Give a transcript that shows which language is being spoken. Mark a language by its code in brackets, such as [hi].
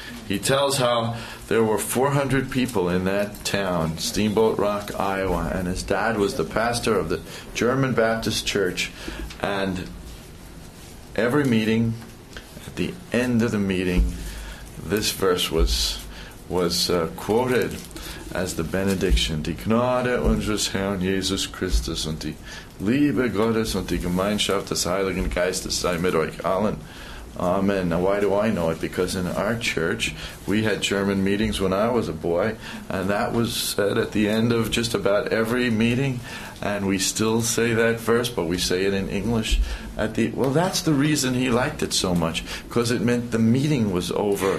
[en] He tells how there were 400 people in that town, Steamboat Rock, Iowa, and his dad was the pastor of the German Baptist Church. And every meeting, at the end of the meeting, this verse was quoted as the benediction. [de] Die Gnade unseres Herrn Jesus Christus und die Liebe Gottes und die Gemeinschaft des Heiligen Geistes sei mit euch allen. [en] Amen. Now, why do I know it? Because in our church, we had German meetings when I was a boy, and that was said at the end of just about every meeting, and we still say that verse, but we say it in English. That's the reason he liked it so much, because it meant the meeting was over.